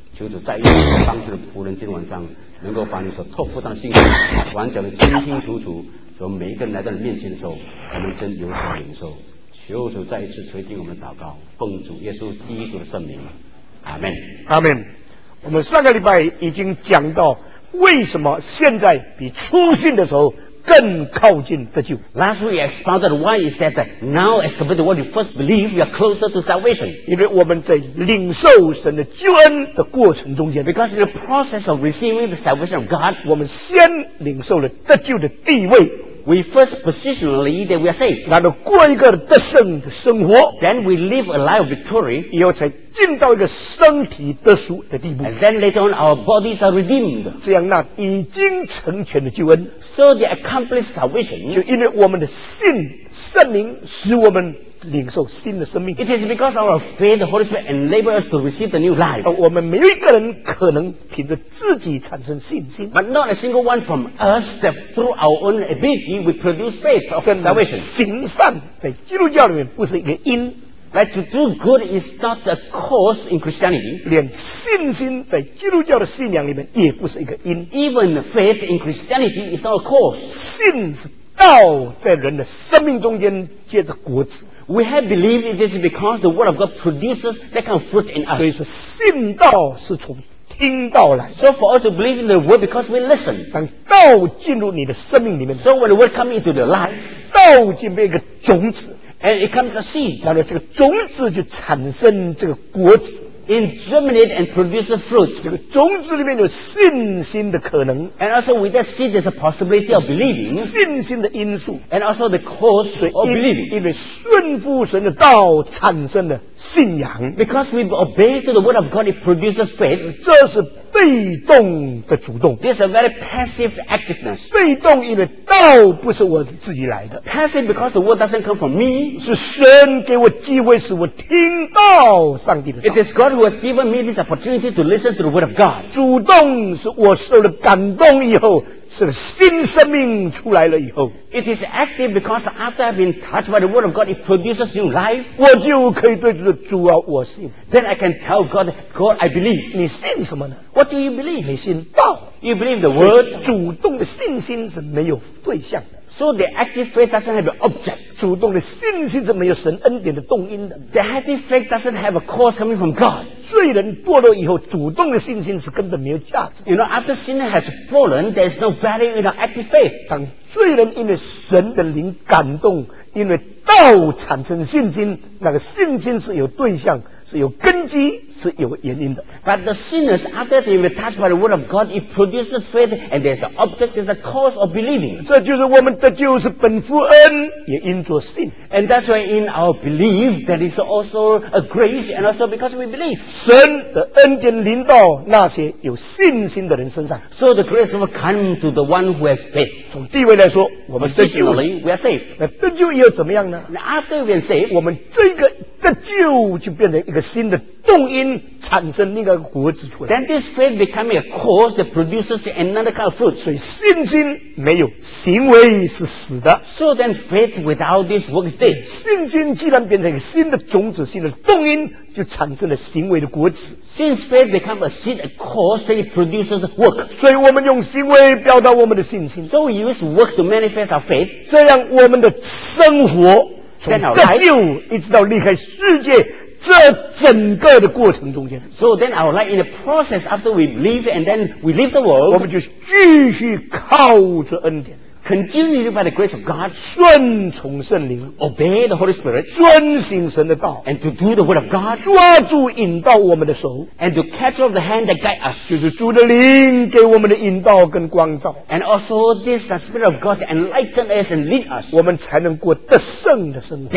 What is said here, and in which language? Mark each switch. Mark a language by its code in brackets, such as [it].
[zh] 求主再一次帮助的仆人今天晚上能够把你所托付的信息完整的清清楚楚，所以每一个人来到你面前的时候才能真有所领受。求主再一次垂听我们的祷告，奉主耶稣基督的圣名，阿们，阿们。我们上个礼拜已经讲到为什么现在比初信的时候更靠近得救。 [en] Last week I expounded why he said that now as compared to what you first believe, you are closer to salvation. [zh] 因为我们在领受神的救恩的过程中间， [en] because in the process of receiving the salvation of God, [zh] 我们先领受了得救的地位， [en] we first positionally that we are saved. [zh] 然后过一个得胜的生活， [en] then we live a life of victory. [zh] 以后才进到一个身体得赎的地步， [en] and then later on our bodies are redeemed. [zh] 这样那已经成全的救恩， [en] so the accomplished salvation， [zh] 就因为我们的信，圣灵使我们领受新的生命。 [en] It is because of our faith, the Holy Spirit enables us to receive the new life. [zh] 我们每一个人可能凭着自己产生信心， [en] but not a single one from us that through our own ability we produce faith of salvation. [zh] 行善在基督教里面不是一个因， [en] Like to do good is not a cause in Christianity. [zh] 连信心在基督教的信仰里面也不是一个因。 [en] Even faith in Christianity is not a cause. [zh] 信是道在人的生命中间结的果子。 [en] We have believed it is because the word of God produces that kind of fruit in us. [zh] 所以说信道是从听到了。 [en] So for us to believe in the word because we listen. [zh] 当道进入你的生命里面， [en] So when the word comes into your life, [zh] 道就变一个种子。 [en] And it comes a seed. [zh] 然后这个种子就产生这个果子。 [en] It germinates and produces fruit. [zh] 这个种子里面有信心的可能。 [en] And also with that seed there's a possibility of believing. [zh] 信心的因素。 [en] And also the cause of believing. [zh] 因为顺服神的道产生的信仰。 [en] Because we obey to the word of God, it produces faith. [zh] 这是被动的主动。 [en] This is a very passive activeness. [zh] 被动因为道不是我自己来的。 [en] Passive because the word doesn't come from me. [zh] 是神给我机会使我听到上帝的道。 [en] It is God who has given me this opportunity to listen to the word of God. [zh] 主动是我受了感动以后，是新生命出来了以后。 [en] It is active because after I've been touched by the word of God, it produces new life. [zh] 我就可以对主啊，我信。 [en] Then I can tell God, God, I believe. [zh] 你信什么呢？ [en] What do you believe? [zh] 你信道。 [en] You believe the word. [zh] 主动的信心是没有对象的。 [en] So the active faith doesn't have an object. [zh] 主动的信心是没有神恩典的动因的。 [en] The active faith doesn't have a cause coming from God. [zh] 罪人堕落以后，主动的信心是根本没有价值。 [en] You know, after sin has fallen, there is no value in our active faith. [zh] 当罪人因为神的灵感动，因为道产生信心，那个信心是有对象，是有根基，是有原因的。 [en] But the sinners, after they were touched by the word of God, it produces faith, and there's an object, there's a cause of believing. [zh] 这就是我们的救是本乎恩，也因着信。 [en] And that's why in our belief, there is also a grace, and also because we believe. [zh] 神的恩典临到那些有信心的人身上。 [en] So the grace will come to the one who has faith. [zh] 从地位来说，我们得救了， [en] we are safe. [zh] 那得救又怎么样呢？ [en] After we are safe, [zh] 我们这个得救就变成一个新的动动因产生另一个果子出来。 [en] Then this faith becomes a cause that produces another kind of fruit. [zh] 所以信心没有，行为是死的。 [en] So then faith without this work is dead. [zh] 信心既然变成一个新的种子、新的动因，就产生了行为的果子。 [en] Since faith becomes a seed, a cause that produces work. [zh] 所以我们用行为表达我们的信心。 [en] So we use work to manifest our faith. [zh] 这样我们的生活从得救一直到离开世界。这整个的过程中间 [en] So then our life in the process after we leave and then we leave the world [zh] 我们就继续靠着恩典 [en] Continue by the grace of God [zh] 顺从圣灵 [en] Obey the Holy Spirit [zh] 遵行神的道 [en] And to do the word of God [zh] 抓住引导我们的手 [en] And to catch off the hand that guide us [zh] 就是主的灵给我们的引导跟光照 [en] And also this the Spirit of God enlighten us and lead us [zh] 我们才能过得胜的生活